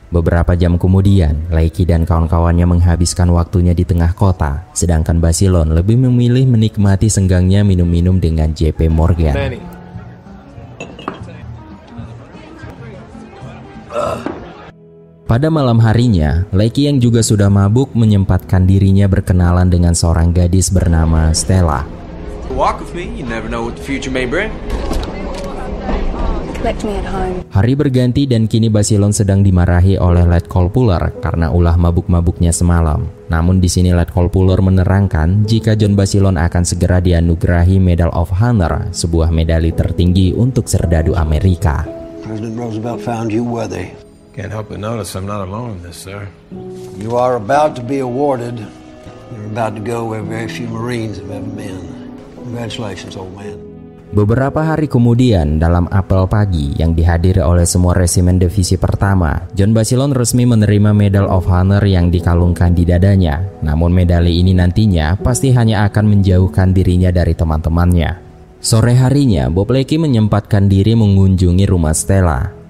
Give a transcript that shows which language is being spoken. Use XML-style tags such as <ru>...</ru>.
<id>Beberapa jam kemudian, Leakey dan kawan-kawannya menghabiskan waktunya di tengah kota, sedangkan Basilon lebih memilih menikmati senggangnya minum-minum dengan JP Morgan. Pada malam harinya, Leakey yang juga sudah mabuk menyempatkan dirinya berkenalan dengan seorang gadis bernama Stella.</id> <en>Walk with me, you never know what the future may bring. Collect me at home.</en> <id>Hari berganti dan kini Basilon sedang dimarahi oleh Letkol Puller karena ulah mabuk-mabuknya semalam. Namun di sini Letkol Puller menerangkan jika John Basilon akan segera dianugerahi Medal of Honor, sebuah medali tertinggi untuk serdadu Amerika.</id> <en>President Roosevelt found you worthy. Can't help but notice I'm not alone in this, sir. You are about to be awarded. You're about to go where very few Marines have ever been. Congratulations, old man.</en> <id>Beberapa hari kemudian, dalam apel pagi yang dihadiri oleh semua resimen divisi pertama, John Basilon resmi menerima Medal of Honor yang dikalungkan di dadanya. Namun medali ini nantinya pasti hanya akan menjauhkan dirinya dari teman-temannya. Sore harinya, Bob Leakey menyempatkan diri mengunjungi rumah Stella.</id>